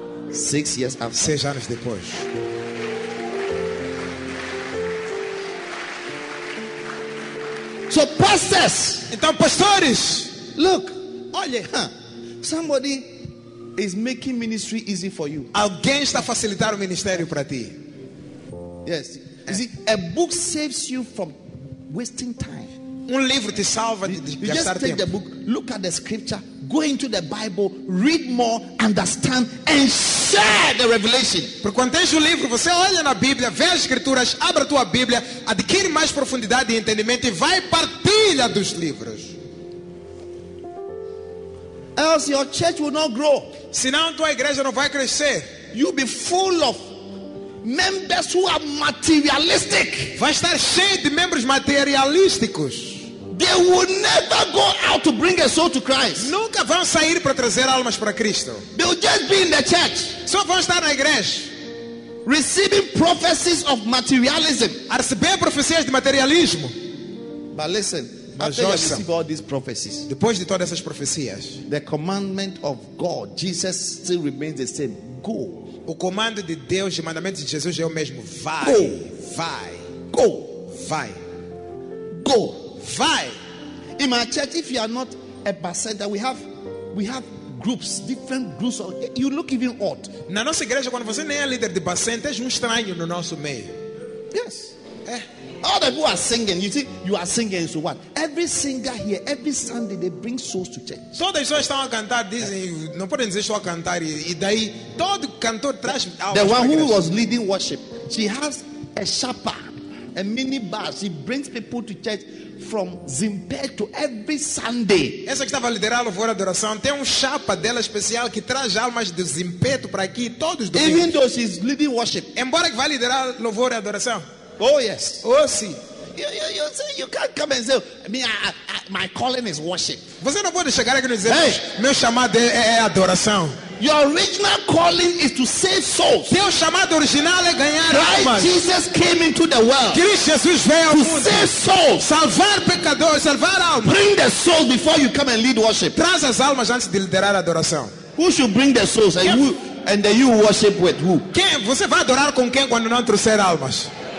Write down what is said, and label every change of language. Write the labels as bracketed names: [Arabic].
[English] 6 years after. [Portuguese] 6 anos depois. [English] So pastors. [Portuguese] Então pastores. [English] Look. Olha. Huh, somebody is making ministry easy for you. [Portuguese] Alguém está a facilitar o ministério para ti. [English] Yes. You see, a book saves you from wasting time. [Portuguese] Um livro te salva de [English] you just take The book, look at the scripture, go into the Bible, read more, understand, and share the revelation. [Portuguese] Porque quando tens o livro, você olha na Bíblia, vê as escrituras, abre a tua Bíblia, adquire mais profundidade e entendimento e vai partilha dos livros. [English] Else your church will not grow. [Portuguese] Senão tua igreja não vai crescer. [English] You'll be full of members who are materialistic. [Portuguese] Vai estar cheio de membros materialísticos. [English] They will never go out to bring a soul to Christ. [Portuguese] Nunca vão sair para trazer almas para Cristo. [English] They will just be in the church. [Portuguese] Só vão estar na igreja. [English] Receiving prophecies of materialism. [Portuguese] A receber profecias de materialismo. [English] But listen. After you receive all these prophecies, [Portuguese] depois de todas essas profecias, [English] the commandment of God, Jesus, still remains the same. Go. [Portuguese] O comando de Deus, o mandamento de Jesus é o mesmo. Vai. [English] Go. [Portuguese] Vai. [English] Go. [Portuguese] Vai. [English] Go. [Portuguese] Vai. [English] In my church, if you are not a pastor, we have groups, different groups. You look even odd. [Portuguese] Na nossa igreja, quando você nem é líder de pastor, és estranho no nosso meio. [English] Yes. All the people are singing. You see, you are singing. So what? Every singer here, every Sunday, they bring souls to church. [Portuguese] Todas as pessoas estão a cantar, dizem, não podem dizer só a cantar. E daí, todo cantor traz. [English] The one who was leading worship, she has a shapa, a mini bar. She brings people to church from Zimbabwe every Sunday. [Portuguese] Essa que estava a liderar a louvor e adoração tem chapa dela especial que traz almas de Zimbabwe para aqui todos os domingos. [English] Even though she's leading worship, [Portuguese] embora que vá liderar a louvor e adoração. [English] Oh yes. [Portuguese] Oh sim. [English] You say you can't come and say, my calling is worship. [Portuguese] Você não pode chegar aqui e dizer, hey, meu chamado é adoração. [English] Your original calling is to save souls. [Portuguese] Teu chamado original é ganhar almas. [English] Jesus came into the world. [Portuguese] Cristo Jesus veio ao [English] to [Portuguese] mundo. [English] Save souls. [Portuguese] Salvar pecadores, salvar almas. [English] Bring the soul before you come and lead worship. [Portuguese] Traz as almas antes de liderar a adoração. [English] Who should bring the souls and who and then you worship with who? [Portuguese] Quem você vai adorar com quem quando não trouxer almas?